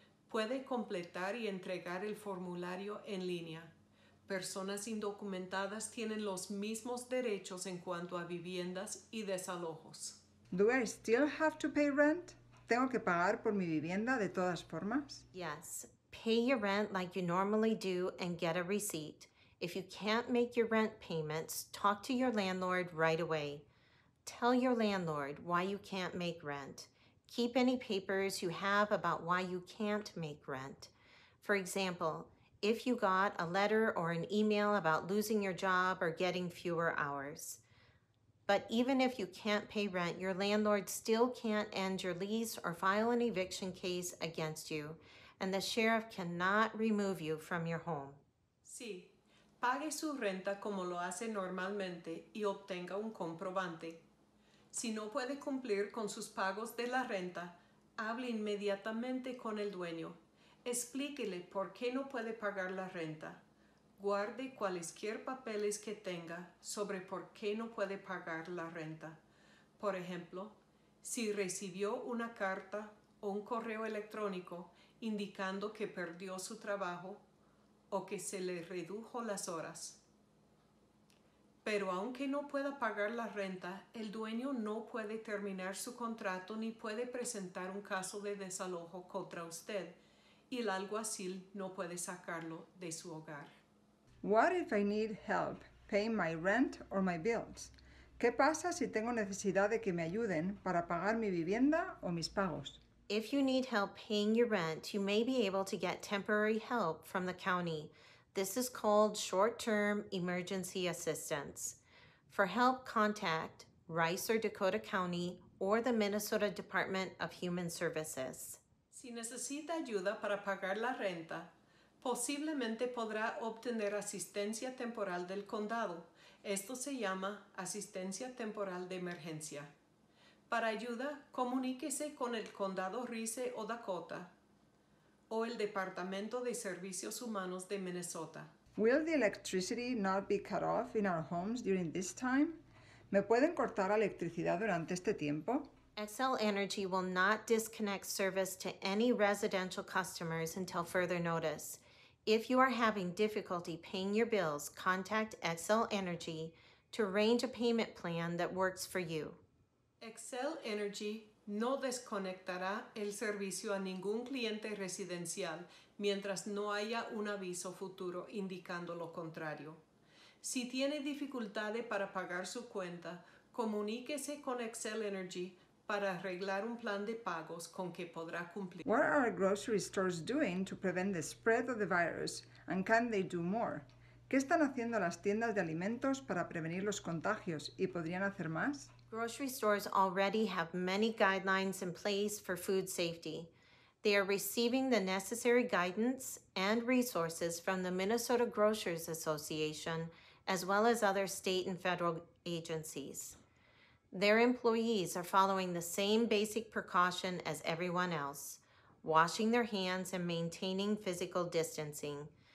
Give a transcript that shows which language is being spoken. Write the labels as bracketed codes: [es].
[es] Puede completar y entregar el formulario en línea. Personas indocumentadas tienen los mismos derechos en cuanto a viviendas y desalojos. [en] Do I still have to pay rent? [es] ¿Tengo que pagar por mi vivienda de todas formas? [en] Yes. Pay your rent like you normally do and get a receipt. If you can't make your rent payments, talk to your landlord right away. Tell your landlord why you can't make rent. Keep any papers you have about why you can't make rent. For example, if you got a letter or an email about losing your job or getting fewer hours. But even if you can't pay rent, your landlord still can't end your lease or file an eviction case against you, and the sheriff cannot remove you from your home. [es] Sí. Pague su renta como lo hace normalmente y obtenga un comprobante. Si no puede cumplir con sus pagos de la renta, hable inmediatamente con el dueño. Explíquele por qué no puede pagar la renta. Guarde cualquier papeles que tenga sobre por qué no puede pagar la renta. Por ejemplo, si recibió una carta o un correo electrónico indicando que perdió su trabajo, o que se le redujo las horas. Pero aunque no pueda pagar la renta, el dueño no puede terminar su contrato ni puede presentar un caso de desalojo contra usted, y el alguacil no puede sacarlo de su hogar. [en] What if I need help paying my rent or my bills? [es] ¿Qué pasa si tengo necesidad de que me ayuden para pagar mi vivienda o mis pagos? [en] If you need help paying your rent, you may be able to get temporary help from the county. This is called short-term emergency assistance. For help, contact Rice or Dakota County or the Minnesota Department of Human Services. [es] Si necesita ayuda para pagar la renta, posiblemente podrá obtener asistencia temporal del condado. Esto se llama asistencia temporal de emergencia. Para ayuda, comuníquese con el condado Rice o Dakota o el Departamento de Servicios Humanos de Minnesota. [en] Will the electricity not be cut off in our homes during this time? [es] ¿Me pueden cortar la electricidad durante este tiempo? [en] XL Energy will not disconnect service to any residential customers until further notice. If you are having difficulty paying your bills, contact XL Energy to arrange a payment plan that works for you. [es] XL Energy no desconectará el servicio a ningún cliente residencial mientras no haya un aviso futuro indicando lo contrario. Si tiene dificultades para pagar su cuenta, comuníquese con XL Energy para arreglar un plan de pagos con que podrá cumplir. [en] What are grocery stores doing to prevent the spread of the virus and can they do more? [es] ¿Qué están haciendo las tiendas de alimentos para prevenir los contagios y podrían hacer más? [en] Grocery stores already have many guidelines in place for food safety. They are receiving the necessary guidance and resources from the Minnesota Grocers Association, as well as other state and federal agencies. Their employees are following the same basic precaution as everyone else, washing their hands and maintaining physical distancing.